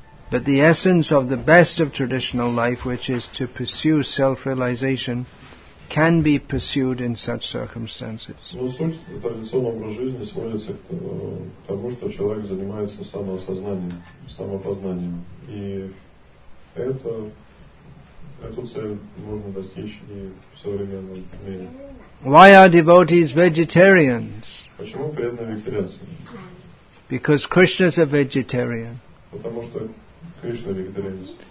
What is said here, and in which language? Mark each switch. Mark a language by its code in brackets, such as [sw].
[en] But the essence of the best of traditional life, which is to pursue self-realization, can be pursued in such circumstances. [ru] Но суть традиционного образа жизни сводится к тому, что человек занимается самоосознанием, самопознанием, и эту цель можно достичь и в современном мире. [en] Why are devotees vegetarians? [ru] Почему преданные вегетарианцы? [en] Because Krishna's a vegetarian. [ru] Потому что Кришна вегетарианец.